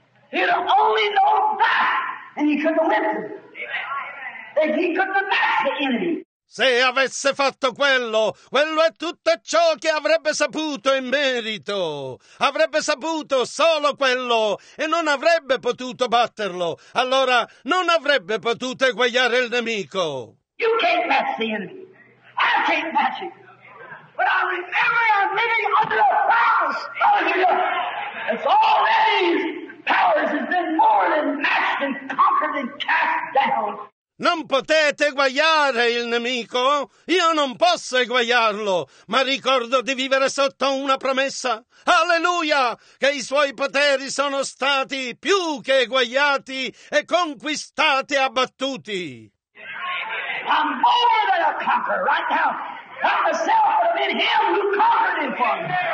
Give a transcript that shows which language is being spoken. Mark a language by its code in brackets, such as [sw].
[en] He'd have only known that, and he couldn't have lived it. That he couldn't have matched the enemy. [it] Se avesse fatto quello, quello è tutto ciò che avrebbe saputo in merito. Avrebbe saputo solo quello e non avrebbe potuto batterlo. Allora non avrebbe potuto eguagliare il nemico. [en] You can't match the enemy. I can't match it. But I remember I'm living under the powers of the Lord. It's all these powers has been more than matched and conquered and cast down. [it] Non potete eguagliare il nemico? Io non posso eguagliarlo, ma ricordo di vivere sotto una promessa. Alleluia! Che i suoi poteri sono stati più che eguagliati e conquistati e abbattuti. [en] I'm more than a conqueror right now. Not myself, but I'm in him who conquered him for me.